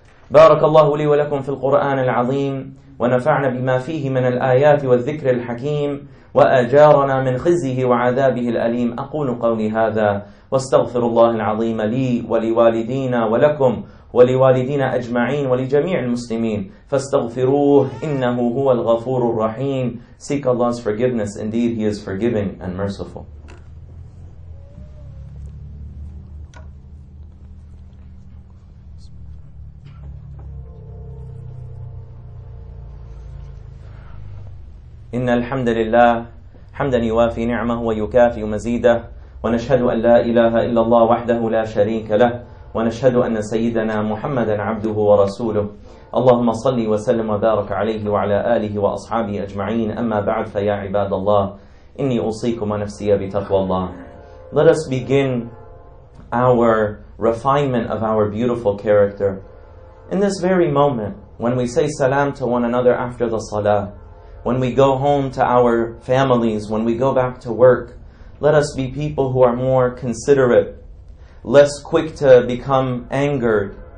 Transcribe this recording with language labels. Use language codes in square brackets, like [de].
[ar] بارك الله لي ولكم في القرآن العظيم ونفعنا بما فيه من الآيات والذكر الحكيم وأجارنا من خزيه وعذابه الأليم. أقول قولي هذا واستغفر الله العظيم لي ولوالدينا ولكم ولوالدينا أجمعين ولجميع المسلمين فاستغفروه إنه هو الغفور الرحيم. [en] Seek Allah's forgiveness. Indeed, He is forgiving and merciful. [ar] إن الحمد لله حمدا يوافي نعمه ويكافي مزيده ونشهد أن لا إله إلا الله وحده لا شريك له ونشهد أن سيدنا محمدا عبده ورسوله. اللهم صل وسلم وبارك عليه وعلى آله وأصحابه أجمعين. أما بعد فيا عباد الله إني أوصيكم ونفسي بتقوى الله. [en] Let us begin our refinement of our beautiful character in this very moment when we say salam to one another after the salah. When we go home to our families, when we go back to work, let us be people who are more considerate, less quick to become angered.